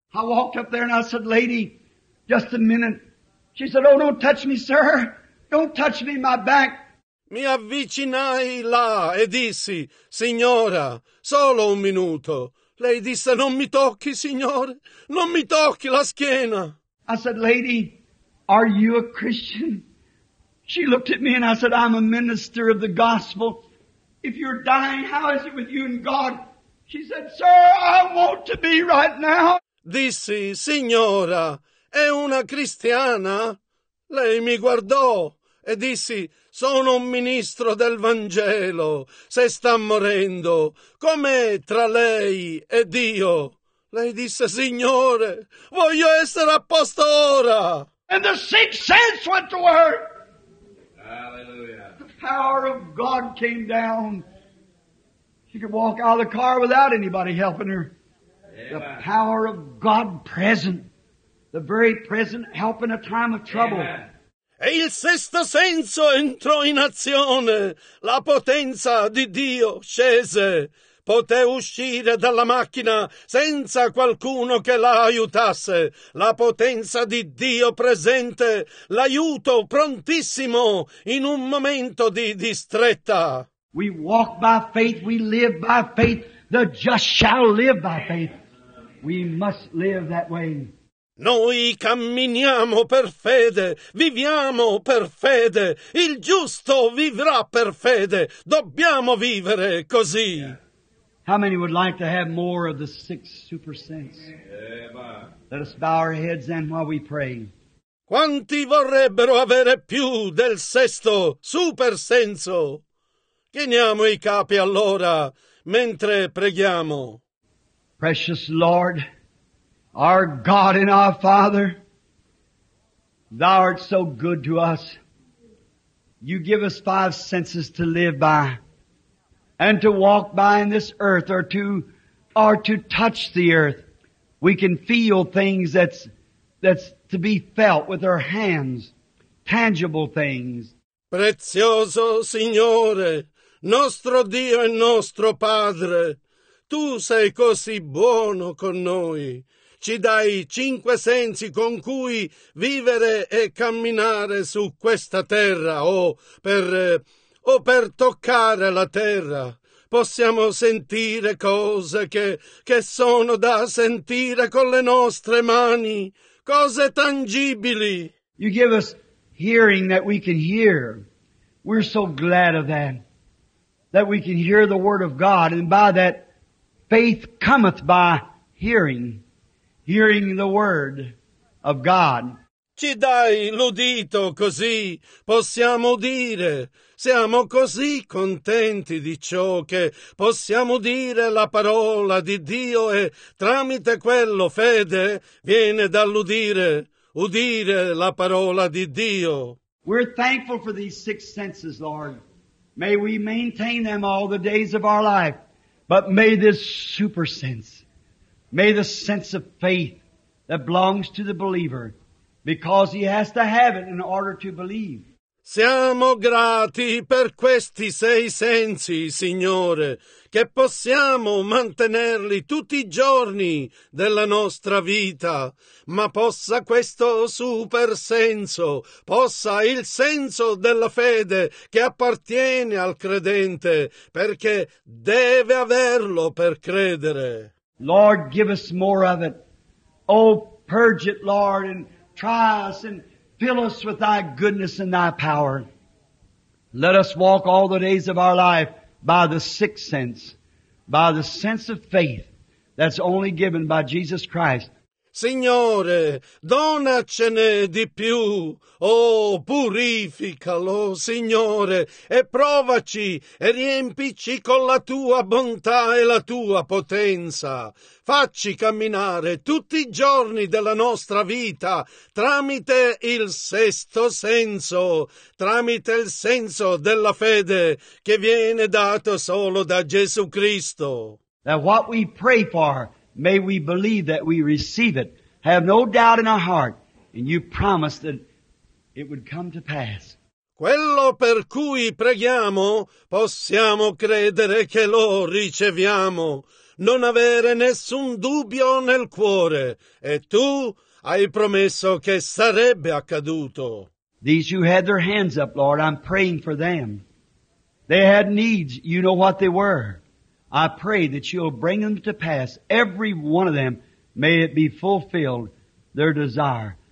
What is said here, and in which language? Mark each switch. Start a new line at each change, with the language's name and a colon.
English: I walked up there and I said, lady, just a minute. She said, oh, don't touch me, sir. Don't touch me, my back.
Italian: Mi avvicinai là e dissi, signora, solo un minuto. Lei disse, non mi tocchi, signore, non mi tocchi la schiena.
English: I said, lady, are you a Christian? She looked at me and I said, I'm a minister of the gospel. If you're dying, how is it with you and God? She said, sir, I want to be right now.
Italian: Dissi, signora, è una cristiana? Lei mi guardò e dissi, sono un ministro del Vangelo. Se sta morendo, com'è tra lei e Dio? Lei disse, signore, voglio essere a posto ora.
English: And the sixth sense went to work. Hallelujah. The power of God came down. She could walk out of the car without anybody helping her. Amen. The power of God present. The very present help in a time of trouble. Amen.
Italian: E il sesto senso entrò in azione. La potenza di Dio scese. Poté uscire dalla macchina senza qualcuno che la aiutasse. La potenza di Dio presente, l'aiuto prontissimo in un momento di distretta.
English: We walk by faith, we live by faith. The just shall live by faith. We must live that way.
Italian: Noi camminiamo per fede, viviamo per fede, il giusto vivrà per fede, dobbiamo vivere così.
English: How many would like to have more of the sixth super sense? Amen. Let us bow our heads then while we pray.
Italian: Quanti vorrebbero avere più del sesto super senso? Chiniamo i capi allora, mentre preghiamo.
English: Precious Lord, our God and our Father, Thou art so good to us. You give us five senses to live by and to walk by in this earth or to touch the earth. We can feel things that's to be felt with our hands, tangible things.
Italian: Prezioso Signore, nostro Dio e nostro Padre, tu sei così buono con noi. Ci dai 5 sensi con cui vivere e camminare su questa terra o per toccare la terra. Possiamo sentire cose che sono da sentire con le nostre mani, cose tangibili.
English: You give us hearing that we can hear. We're so glad of that, that we can hear the word of God, and by that faith cometh by hearing. Hearing the word of God.
Italian: Ci dai l'udito così possiamo dire. Siamo così contenti di ciò che possiamo dire la parola di Dio e tramite quello fede viene dall'udire, udire la parola di Dio.
English: We're thankful for these 6 senses, Lord. May we maintain them all the days of our life. But may this super sense, may the sense of faith that belongs to the believer, because he has to have it in order to believe.
Italian: Siamo grati per questi 6 sensi, Signore, che possiamo mantenerli tutti i giorni della nostra vita. Ma possa questo super senso, possa il senso della fede che appartiene al credente, perché deve averlo per credere.
English: Lord, give us more of it. Oh, purge it, Lord, and try us and fill us with thy goodness and thy power. Let us walk all the days of our life by the 6th sense, by the sense of faith that's only given by Jesus Christ.
Italian: Signore, donacene di più, purificalo, Signore, e provaci e riempici con la Tua bontà e la Tua potenza. Facci camminare tutti i giorni della nostra vita tramite il 6° senso, tramite il senso della fede che viene dato solo da Gesù Cristo.
English: Now what we pray for, may we believe that we receive it. Have no doubt in our heart. And you promised that it would come to pass.
Italian: Quello per cui preghiamo, possiamo credere che lo riceviamo. Non avere nessun dubbio nel cuore. E tu hai promesso che sarebbe accaduto.
English: These who had their hands up, Lord, I'm praying for them. They had needs. You know what they were. I pray that you'll bring them to pass, every one of them. May it be fulfilled, their desire.